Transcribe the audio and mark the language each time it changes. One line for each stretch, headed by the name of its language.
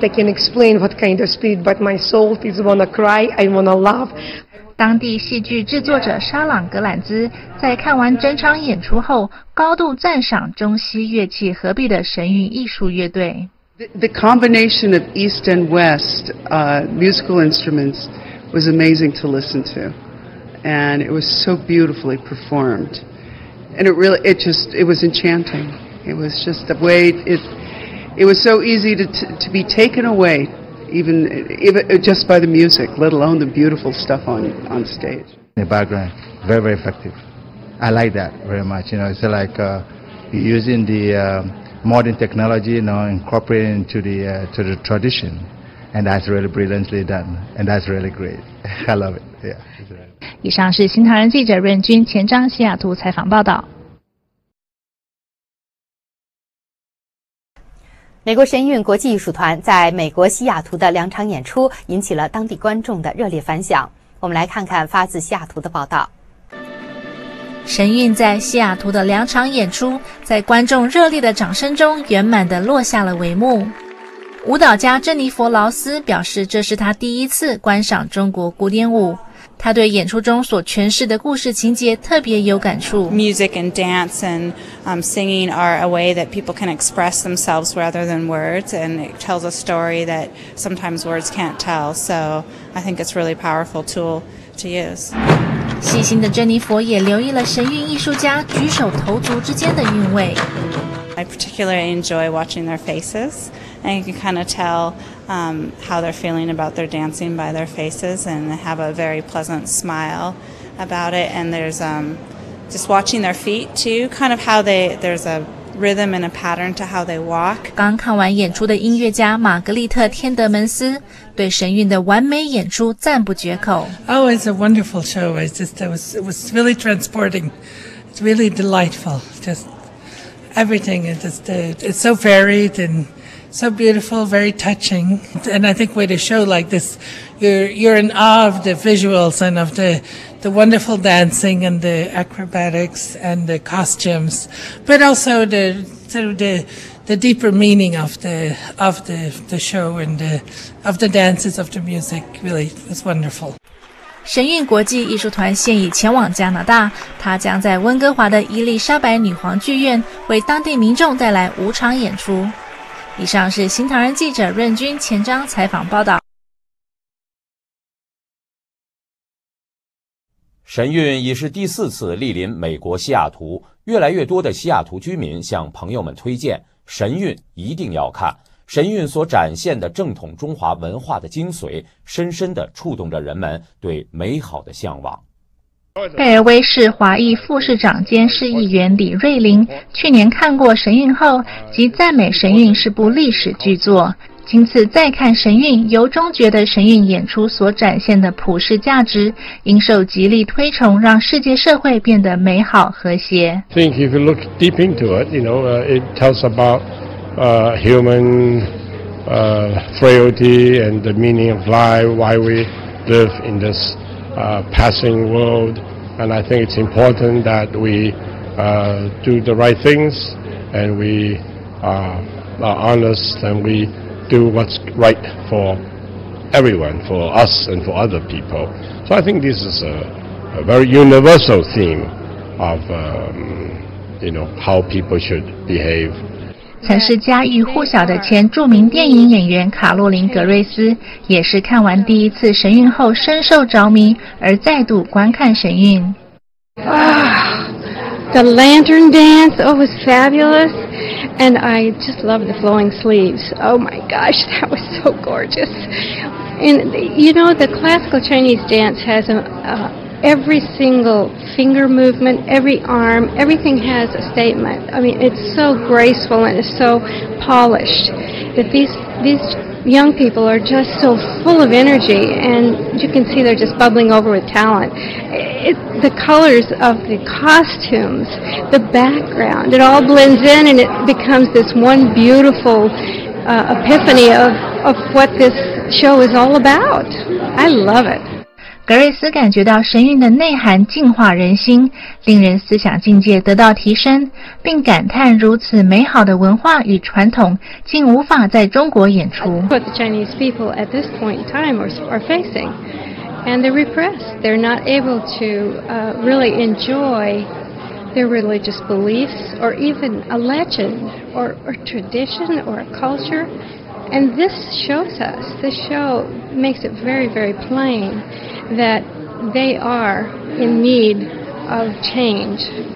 English: I can't explain what kind of spirit, but my soul is wanna cry, I wanna love.
Chinese: 当地戏剧制作者沙朗·格兰兹在看完整场演出后高度赞赏中西乐器合璧的神韵艺术乐队。
English: The combination of East and West musical instruments was amazing to listen to, and it was so beautifully performed, and it was enchanting. It was just the way it was so easy to be taken away, even just by the music, let alone the beautiful stuff on stage. The background, very very effective. I like that very much. You know, it's like using the modern technology, you know, incorporating to the tradition, and that's really brilliantly done, and that's really great. I love it. Yeah.
Chinese: 以上是新唐人记者任君、钱章西雅图采访报道。美国神韵国际艺术团在美国西雅图的两场演出引起了当地观众的热烈反响。我们来看看发自西雅图的报道。神韵在西雅图的两场演出在观众热烈的掌声中圆满地落下了帷幕。舞蹈家珍妮佛·劳斯表示，这是他第一次观赏中国古典舞，他对演出中所诠释的故事情节特别有感触。
English: Music and dance and singing are a way that people can express themselves rather than words, and it tells a story that sometimes words can't tell, so I think it's a really powerful tool to use.
Chinese: 细心的珍妮佛也留意了神韵艺术家举手投足之间的韵味。
English: I particularly enjoy watching their faces, and you can kind of tell how they're feeling about their dancing by their faces, and they have a very pleasant smile about it. And there's just watching their feet too, kind of how there's a rhythm and a pattern to how they walk.
Chinese: 刚看完演出的音乐家玛格丽特·天德门斯。对神韵的完美演出赞不绝口。
English: Oh, it's a wonderful show. It was really transporting. It's really delightful. Just everything. It's so varied and so beautiful, very touching. And I think with a show like this, you're in awe of the visuals and of the wonderful dancing and the acrobatics and the costumes, but also the deeper meaning of the show and of the dances of the music really was wonderful.
Chinese: 神韵国际艺术团现已前往加拿大，他将在温哥华的伊丽莎白女皇剧院为当地民众带来5场演出。以上是新唐人记者润君前章采访报道。神韵已是第四次莅临美国西雅图，越来越多的西雅图居民向朋友们推荐神韵一定要看。神韵所展现的正统中华文化的精髓，深深地触动着人们对美好的向往。盖尔威市华裔副市长兼市议员李瑞麟去年看过神韵后，即赞美神韵是部历史巨作。今次再看神韵，由衷觉得神韵演出所展现的普世价值，应受极力推崇，让世界社会变得美好和谐。
English: I think if you look deep into it, you know, it tells about human frailty and the meaning of life, why we live in this passing world. And I think it's important that we do the right things and we are honest and we. Do what's right for everyone, for us and for other people. So I think this is a very universal theme of, how people should behave.
Chinese: 曾是家喻户晓的前著名电影演员卡洛琳·格瑞斯，也是看完第一次《神韵》后深受着迷，而再度观看《神韵》。
English: The lantern dance, oh, it was fabulous. And I just love the flowing sleeves. Oh my gosh, that was so gorgeous. And you know, the classical Chinese dance has every single finger movement, every arm, everything has a statement. I mean, it's so graceful and it's so polished that these young people are just so full of energy and you can see they're just bubbling over with talent. The colors of the costumes, the background, it all blends in and it becomes this one beautiful epiphany of what this show is all about. I love it.
Chinese: 格瑞斯感觉到神韵的内涵净化人心，令人思想境界得到提升，并感叹如此美好的文化与传统竟无法在中国演出。
English: What the Chinese people at this point in time are facing. And they're repressed. They're not able to really enjoy their religious beliefs or even a legend or tradition or a culture. And this shows us, this show makes it very, very plain that they are in need of change.